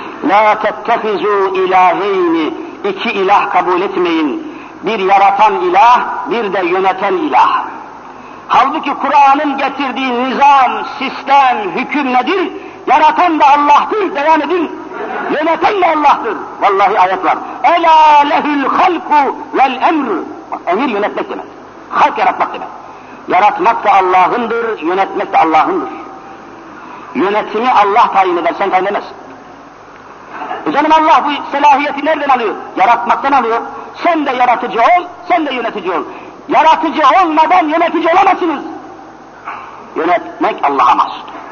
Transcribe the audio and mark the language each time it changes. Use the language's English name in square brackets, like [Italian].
[Arabic] لَا تَتَّخِذُوا اِلَٰهَيْنِ [Turkish] İki ilah kabul etmeyin. Bir yaratan ilah, bir de yöneten ilah. Halbuki Kur'an'ın getirdiği nizam, sistem, hüküm nedir? Yaratan da Allah'tır, devam edin. Yöneten de Allah'tır. Vallahi ayet var. [Arabic] اَلَا لَهُ الْخَلْقُ وَالْاَمْرُ [Turkish] Emir yönetmek demek. Halk yaratmak demek. Yaratmak da Allah'ındır, yönetmek de Allah'ındır. Yönetimi Allah tayin eder, sen tayin edemezsin. Canım Allah bu selahiyeti nereden alıyor? Yaratmaktan alıyor. Sen de yaratıcı ol, sen de yönetici ol. Yaratıcı olmadan yönetici olamazsınız. Yönetmek Allah'a mahsustur.